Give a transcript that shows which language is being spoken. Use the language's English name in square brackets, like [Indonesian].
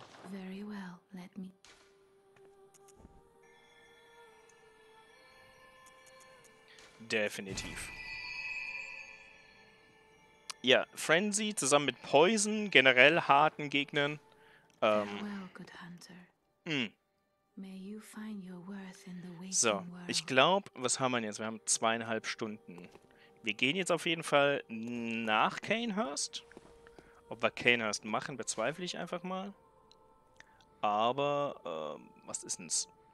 [English] Very well, let me. [German] Definitiv. Ja, Frenzy zusammen mit Poison, generell harten Gegnern. [English] Farewell, good hunter. May you find your worth in the waiting world. [German] So, ich glaube, was haben wir jetzt? Wir haben 2,5 Stunden. Wir gehen jetzt auf jeden Fall nach Kanehurst. Ob wir Kanehurst machen, bezweifle ich einfach mal. Aber, was ist denn's?